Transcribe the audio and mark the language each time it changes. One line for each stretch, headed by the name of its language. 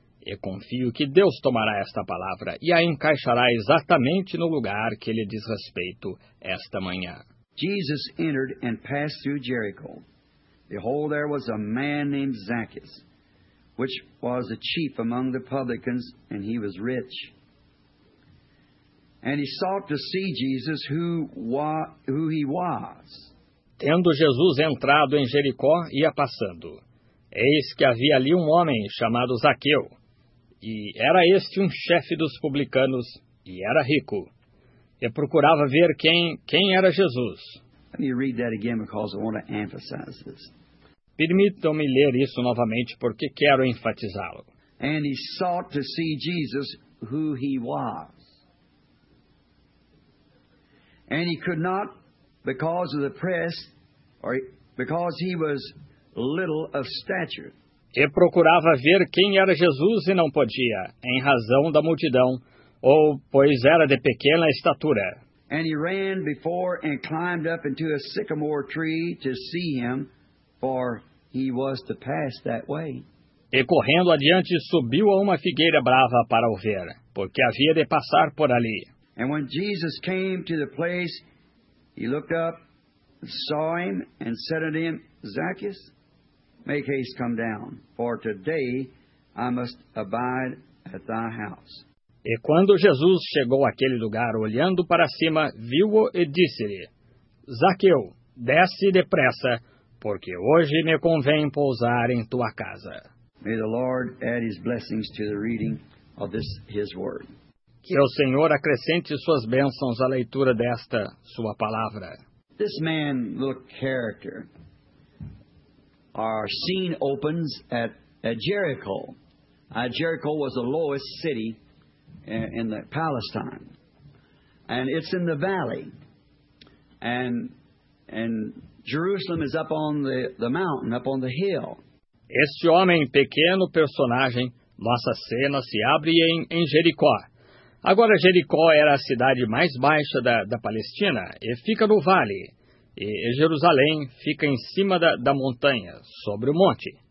Portuguese: E confio que Deus tomará esta palavra e a encaixará exatamente no lugar que lhe diz respeito esta manhã.
English: Jesus entered and passed through Jericho. Behold, there was a man named Zacchaeus, which was the chief among the publicans, and he was rich. And he sought to see Jesus, who he was.
Portuguese: Tendo Jesus entrado em Jericó, ia passando. Eis que havia ali um homem chamado Zaqueu, e era este um chefe dos publicanos, e era rico. E procurava ver quem era Jesus.
English: Let me read that again because I want to emphasize this.
Portuguese: Permitam-me ler isso novamente porque quero enfatizá-lo.
English: And he sought to see Jesus who he was. And he could not because of the press or because he was little of stature.
Portuguese: E procurava ver quem era Jesus e não podia, em razão da multidão, ou pois era de pequena estatura.
English: And he ran before and climbed up into a sycamore tree to see him, for he was to pass that way.
Portuguese: E correndo adiante, subiu a uma figueira brava para o ver, porque havia de passar por ali.
English: And when Jesus came to the place, he looked up, saw him, and said unto him, Zacchaeus, make haste, come down, for today I must abide at thy house.
Portuguese: E quando Jesus chegou àquele lugar, olhando para cima, viu-o e disse-lhe, Zaqueu, desce depressa, porque hoje me convém pousar em tua casa.
English: May the Lord add his blessings to the reading of this, his word.
Portuguese: Que o Senhor acrescente suas bênçãos à leitura desta sua palavra.
English: This man, little character, our scene opens at Jericho. Jericho was the lowest city in the Palestine, and it's in the valley, and Jerusalem is up on the mountain, up on the hill.
Portuguese: Este homem, pequeno personagem, nossa cena se abre em Jericó. Agora, Jericó era a cidade mais baixa da Palestina, e fica no vale, e Jerusalém fica em cima da montanha, sobre o monte.